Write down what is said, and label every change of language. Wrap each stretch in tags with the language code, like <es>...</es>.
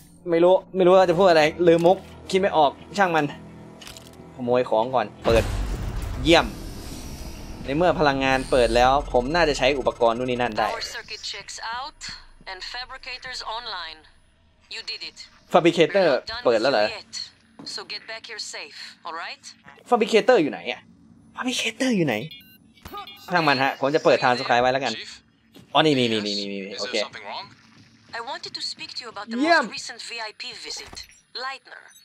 <th>ไม่รู้ว่าจะพูดอะไรลืมมุกคิดไม่ออกช่างมันขโมยของก่อนเปิดเยี่ยมในเมื่อพลังงานเปิดแล้วผมน่าจะใช้อุปกรณ์นู่นนี่นั่นได้</th> <en>Circuit checks out and fabricators online. You did it. Fabricator</en> <th>เปิดแล้วเหรอ</th> <en>So get back here safe, all right?</en> <th>Fabricator อยู่ไหนอ่ะ Fabricator อยู่ไหนช่างมันฮะผมจะเปิดทางสุดท้ายไว้แล้วกันอ๋อนี่โอเค</th> <en>I wanted to speak to you about the most recent VIP visit, Lightner,</en>